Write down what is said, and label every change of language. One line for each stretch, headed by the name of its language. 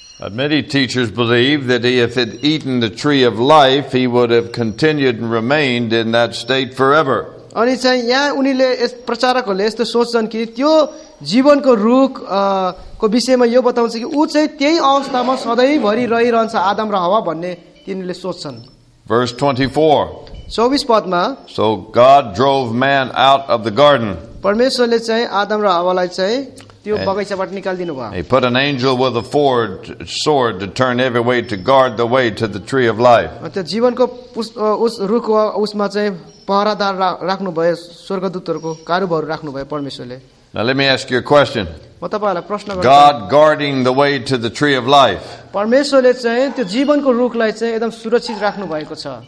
English: Many teachers believe that if he had eaten the tree of life, he would have continued and remained in that state forever.
Nepali: अनि चाहिँ यहाँ उनीले प्रचारकहरूले यस्तो सोच्छन् कि त्यो जीवनको रुखको विषयमा यो बताउँछ कि ऊ चाहिँ त्यही अवस्थामा सधैँभरि रहिरहन्छ आदम र हवा भन्ने तिनीहरूले सोच्छन्
English: Verse 24
Nepali: 24 पदमा
English: So God drove man out of the garden
Nepali: परमेश्वरले चाहिँ आदम र हवालाई चाहिँ त्यो बगैँचाबाट निकालिदिनु भयो
English: He put an angel with a forged sword to turn every way to guard the way to the tree of life
Nepali: अनि त्यो जीवनको उस रुखको उसमा चाहिँ पहरादार राख्नु भयो स्वर्गदूतहरूको कारुबहरु राख्नु भयो परमेश्वरले
English: Now let me ask you a question
Nepali: म तपाईलाई प्रश्न गर्छु
English: God guarding the way to the tree of life
Nepali: परमेश्वरले चाहिँ त्यो जीवनको रुखलाई चाहिँ एकदम सुरक्षित राख्नु भएको छ